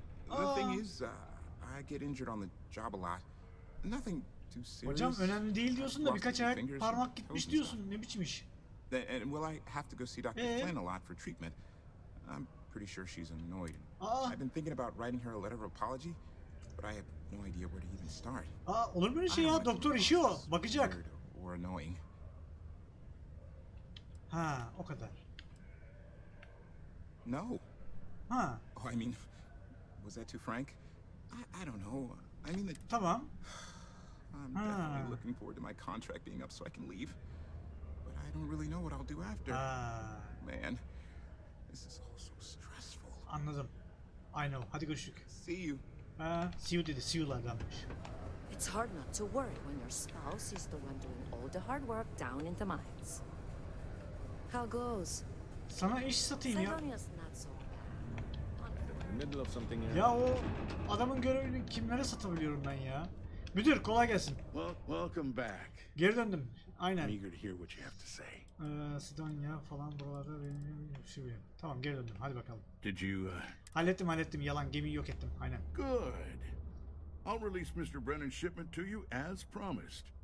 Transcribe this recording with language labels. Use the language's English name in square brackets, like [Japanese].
[English] The thing is, I get injured on the job a lot. Nothing too serious. [Turkish] Hocam önemli değil diyorsun da birkaç ayak parmak gitmiş diyorsun. Ne biçim iş? [English] And will I have to go see Dr. Flynn a lot for treatment? Pretty sure she's annoyed. I've been thinking about writing her a letter of apology, but I have no idea where to even start. [Turkish] Olur mu şey ya, doktor işi o, bakacak. [English] Or annoying. [Turkish] Ha, o kadar. [English] No. Ha. Oh, I mean, was that too frank? I don't know. I mean, the... [Turkish] Tamam. [English] I'm definitely looking forward to my contract being up so I can leave, but I don't really know what I'll do after. Man, this is all so strange. [Turkish] Anladım. [English] I know. [Turkish] Hadi görüşük. [English] See you. See you [Turkish] dedi. See you'lar denmiş. [English] It's hard not to worry when your spouse is the one doing all the hard work down in the mines. How goes? [Turkish] Sana iş satayım ya. [English] Middle of something. [Turkish] Ya o adamın görevini kimlere satabiliyorum ben ya? Müdür, kolay gelsin. [English] Welcome back. [Turkish] Geri döndüm. Aynen. [English] I'm eager to hear what you have to say. [Turkish] Sidonya falan buralarda benim şey bileyim. Tamam, geri döndüm. Hadi bakalım. [English] Did you [Turkish] Hallettim. Yalan, gemiyi yok ettim. Aynen. [English] Good. I'll release Mr. Brennan's shipment to you as promised.